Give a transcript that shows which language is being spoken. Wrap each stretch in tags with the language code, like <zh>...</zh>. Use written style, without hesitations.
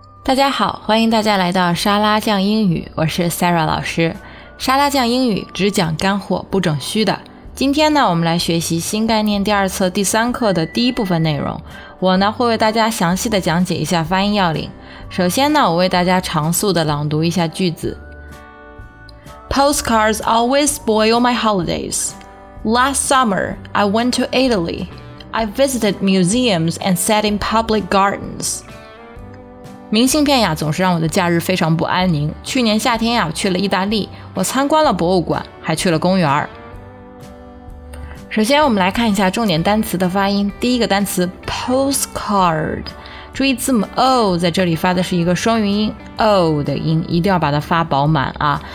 <zh>大家好，欢迎大家来到沙拉酱英语，我是 Sarah 老师。沙拉酱英语只讲干货，不整虚的。今天呢，我们来学习新概念第二册第三课的第一部分内容。我呢会为大家详细的讲解一下发音要领。首先呢，我为大家长速的朗读一下句子。</zh> <en>Postcards always spoil my holidays. Last summer, I went to Italy. I visited museums and sat in public gardens.</en> <zh>明信片呀，总是让我的假日非常不安宁。去年夏天呀，去了意大利，我参观了博物馆，还去了公园。首先，我们来看一下重点单词的发音。第一个单词 postcard， 注意字母 o 在这里发的是一个双元音 o 的音，一定要把它发饱满啊。</zh>